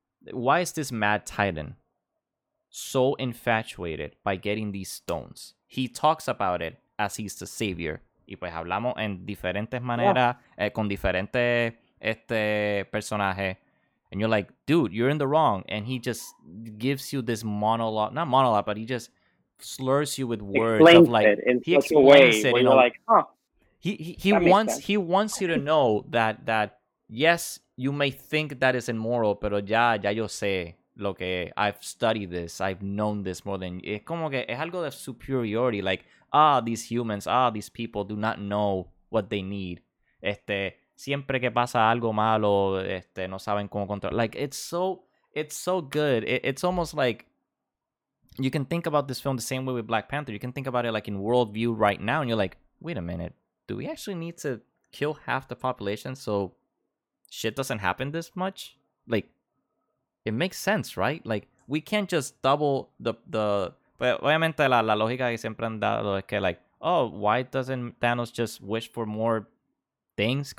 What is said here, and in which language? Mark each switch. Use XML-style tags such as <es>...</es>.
<en>Why is this mad Titan so infatuated by getting these stones? He talks about it as he's the savior.</en> <es>Y pues hablamos en diferentes maneras, con diferentes personajes.</es> <en>And you're like, dude, you're in the wrong. And he just gives you this monologue. Not monologue, but he just slurs you with words. Explains of like, it in he such explains a way it, where you know, like, huh. He wants you to know that yes, you may think that is immoral,</en> <es>pero ya yo sé.</es> <en>I've studied this, I've known this more than you.</en> <es>Es como que es algo de</es> <en>superiority, like, these humans, these people do not know what they need.</en> <es>Siempre que pasa algo malo, no saben cómo controlar.</es> <en>Like, it's so good. It's almost like you can think about this film the same way with Black Panther. You can think about it like in worldview right now, and you're like, wait a minute, do we actually need to kill half the population so shit doesn't happen this much? Like, it makes sense, right? Like, we can't just double the</en> <es>obviamente la lógica que siempre han dado es que,</es> <en>like, why doesn't Thanos just wish for more things?</en>